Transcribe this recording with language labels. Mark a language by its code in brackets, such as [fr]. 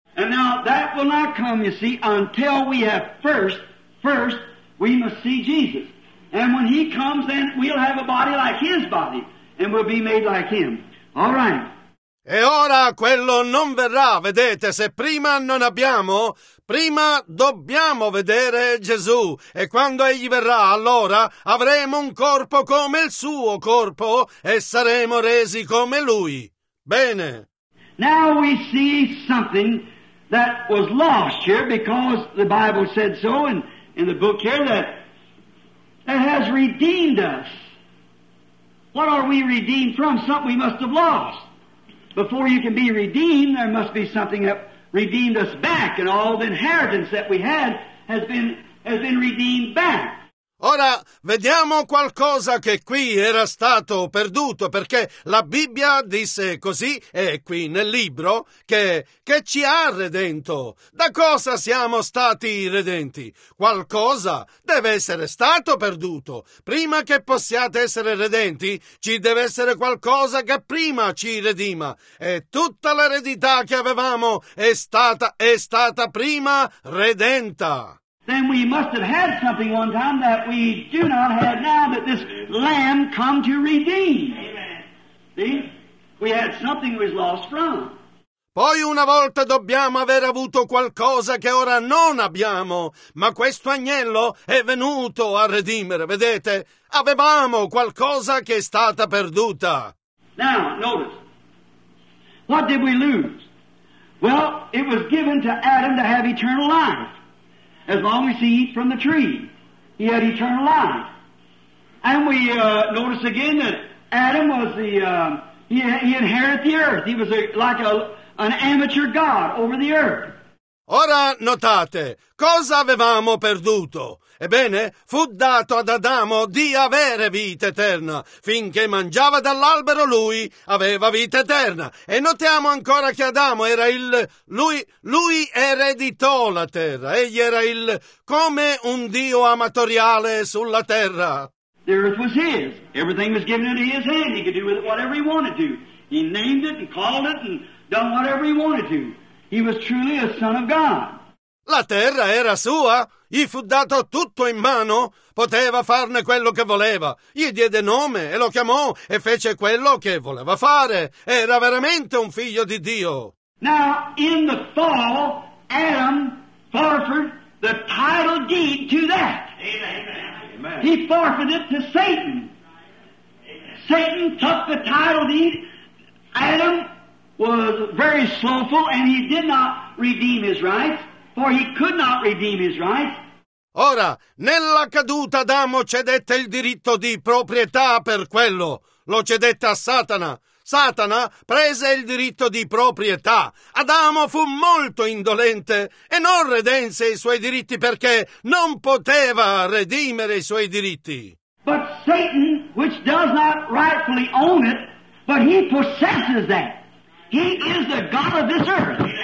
[en] And now that will not come, you see, until we have first, we must see Jesus. And when he comes, then we'll have a body like his body, and we'll be made like him. All right. [it] E ora quello non verrà, vedete, se prima non abbiamo, prima dobbiamo vedere Gesù, e quando egli verrà, allora avremo un corpo come il suo corpo, e saremo resi come lui. Bene. [en] Now we see something that was lost here, because the Bible said so in the book here, that has redeemed us. What are we redeemed from? Something we must have lost. Before you can be redeemed, there must be something that redeemed us back, and all the inheritance that we had has been redeemed back. [it] Ora vediamo qualcosa che qui era stato perduto, perché la Bibbia disse così, e qui nel libro, che ci ha redento. Da cosa siamo stati redenti? Qualcosa deve essere stato perduto. Prima che possiate essere redenti, ci deve essere qualcosa che prima ci redima. E tutta l'eredità che avevamo è stata prima redenta. [en] Then we must have had something one time that we do not have now, that this Lamb come to redeem. Amen. See? We had something we lost from. [it] Poi una volta dobbiamo aver avuto qualcosa che ora non abbiamo, ma questo agnello è venuto a redimere, vedete? Avevamo qualcosa che è stata perduta. [en] Now, notice. What did we lose? Well, it was given to Adam to have eternal life. As long as he eat from the tree, he had eternal life. And we notice again that Adam was he inherited the earth. He was like an amateur god over the earth. [it] Ora notate, cosa avevamo perduto? Ebbene, fu dato ad Adamo di avere vita eterna. Finché mangiava dall'albero, lui aveva vita eterna. E notiamo ancora che Adamo era il... Lui ereditò la terra. Egli era il... come un dio amatoriale sulla terra. [en] The earth was his. Everything was given into his hand. He could do with it whatever he wanted to. He named it and called it and done whatever he wanted to. He was truly a son of God. [it] La terra era sua, gli fu dato tutto in mano, poteva farne quello che voleva, gli diede nome e lo chiamò e fece quello che voleva fare, era veramente un figlio di Dio. [en] Now, in the fall, Adam forfeited the title deed to that. Amen. He forfeited to Satan. Amen. Satan took the title deed. Adam was very slothful and he did not redeem his rights. For he could not redeem his rights. [it] Ora, nella caduta Adamo cedette il diritto di proprietà per quello. Lo cedette a Satana. Satana prese il diritto di proprietà. Adamo fu molto indolente e non redense i suoi diritti perché non poteva redimere i suoi diritti. [en] But Satan, which does not rightfully own it, but he possesses that. He is the god of this earth.